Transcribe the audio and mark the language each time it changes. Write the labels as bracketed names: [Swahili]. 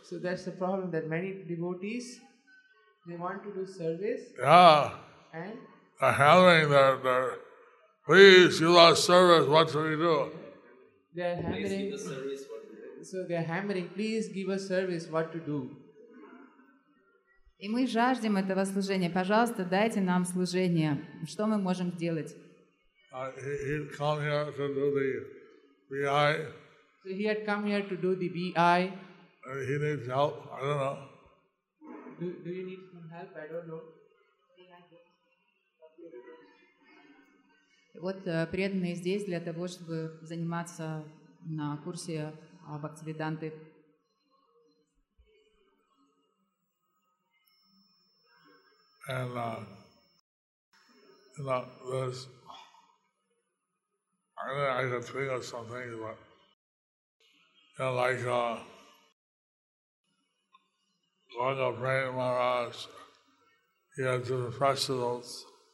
[English] So that's the problem, that many devotees, they want to do service. Yeah. And? They're hammering their please give us service, what should we do? They are hammering. Please give us service, what to do. So they are hammering, please give us service, what to do. [Russian] И мы жаждем этого служения. Пожалуйста, дайте нам служение. Что мы можем сделать? [English] He had come here to do the BI. So he had come here to do the BI. He needs help, I don't know. Do you need some help? I don't know. [Russian] Вот преданные здесь для того, чтобы заниматься на курсе Бхактивиданты. [English] And there's I don't know, I can think of something, but you know, like Gauranga Prem Maharaj, he has different festivals.